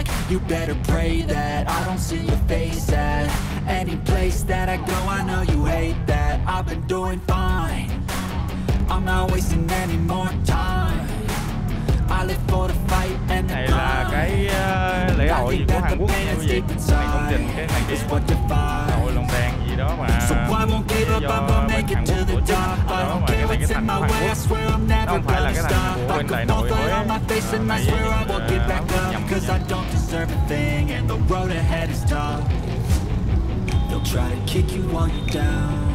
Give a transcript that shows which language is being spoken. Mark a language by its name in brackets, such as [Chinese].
[English] You better pray that I don't see your face at any place that I go. I know you hate that I've been doing fine. I'm not wasting any more time. I live for the fight and the climb. [Vietnamese] Này là cái lễ hội gì của Hàn Quốc hay gì? Mày không định cái này kia hội lồng đèn gì đó mà do bên Hàn Quốc tổ chức đó mà cái thành phố Hàn Quốc đó không phải là cái thành phố bên Đại Nội với mấy [English] cause I don't deserve a thing and the road ahead is tough. They'll try to kick you while you're down.